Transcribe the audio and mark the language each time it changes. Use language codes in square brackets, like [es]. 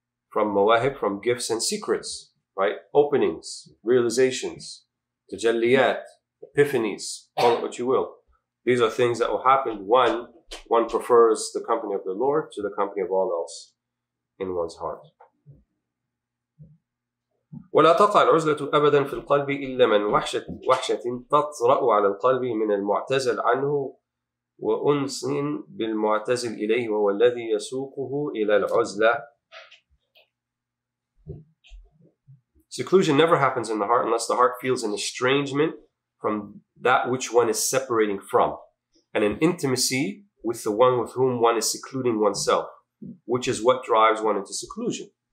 [en] from mawahib, from gifts and secrets, right? Openings, realizations, tajalliyat, epiphanies, call it what you will. These are things that will happen. One prefers the company of the Lord to the company of all else in one's heart. [ar] ولا تقع العزلة أبدا في القلب إلا من وحشة وحشة تطرأ على القلب من المعتزل عنه وأنس بالمعتزل إليه وهو الذي يسوقه إلى العزلة. [en] Seclusion never happens in the heart unless the heart feels an estrangement from that which one is separating from, and an intimacy with the one with whom one is secluding oneself, which is what drives one into seclusion.